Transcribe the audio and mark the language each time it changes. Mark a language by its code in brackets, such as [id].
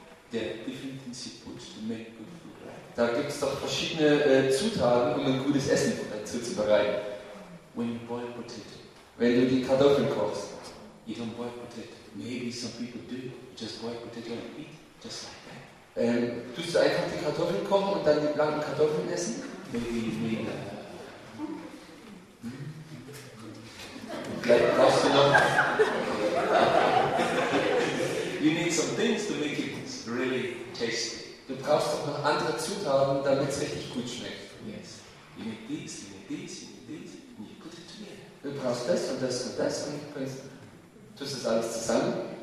[en] there are different things you put to make good food, right? [de] Da gibt es doch verschiedene Zutaten, um ein gutes Essen zuzubereiten. [en] When you boil potato, [de] wenn du die Kartoffeln kochst, [en] you don't boil potato. Maybe some people do. Just boil potato and eat. Just like that. [de] Tust du einfach die Kartoffeln kochen und dann die blanken Kartoffeln essen? [en] Maybe. [de] Vielleicht brauchst du noch. [en] You need some things to make it really tasty. [de] Du brauchst doch noch andere Zutaten, damit es richtig gut schmeckt. [en] Yes. You need this, you need this, you need this, and you put it together. [de] Du brauchst das und das und das und tust das alles zusammen.